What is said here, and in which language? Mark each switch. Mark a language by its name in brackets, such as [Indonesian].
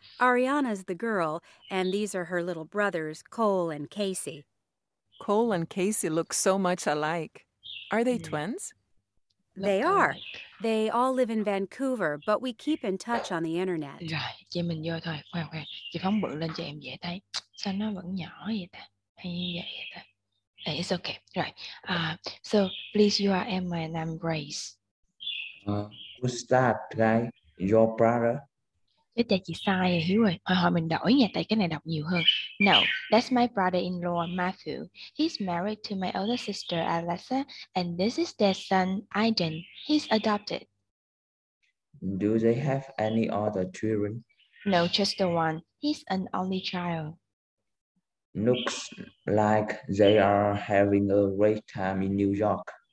[English] Ariana's the girl, and these are her little brothers, Cole and Casey. Cole and Casey look so much alike. Are they twins? They are. They all live in Vancouver, but we keep in touch on the internet. [Vietnamese] Rồi, chị mình vô thôi. Khoan, chị phóng bự lên cho em dễ thấy. Sao nó vẫn nhỏ vậy ta? Hay như vậy vậy ta? [English] It's okay. Right. So, please, you are Emma and I'm Grace. Who's that guy? Your brother? [Vietnamese] Chết chà, chị sai rồi, Hiếu ơi. Hồi hồi mình đổi nha, tại cái này đọc nhiều hơn. [English] No, that's my brother-in-law, Matthew. He's married to my older sister, Alyssa, and this is their son, Aiden. He's adopted. Do they have any other children? No, just the one. He's an only child. Looks like they are having a great time in New York.